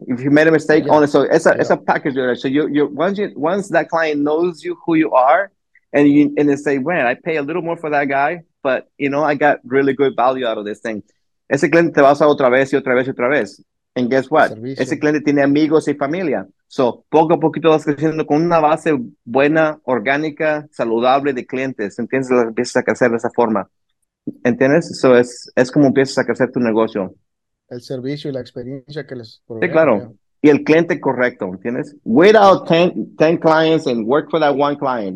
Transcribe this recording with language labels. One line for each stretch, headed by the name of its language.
English: If you made a mistake, yeah. own it. So it's a package order. So once that client knows you who you are, and they say, man, I pay a little more for that guy, but you know, I got really good value out of this thing.
Spanish: Ese cliente te va a usar otra vez y otra vez y otra vez.
English: And guess what?
Spanish: Ese cliente tiene amigos y familia. So poco a poquito vas creciendo con una base buena, orgánica, saludable de clientes. Entiendes, empiezas a crecer de esa forma. ¿Entiendes? So es como empiezas a crecer tu negocio. El servicio y la experiencia que les provee. Sí, claro. Y el cliente correcto, ¿entiendes?
English: Wait out 10 clients and work for that one client.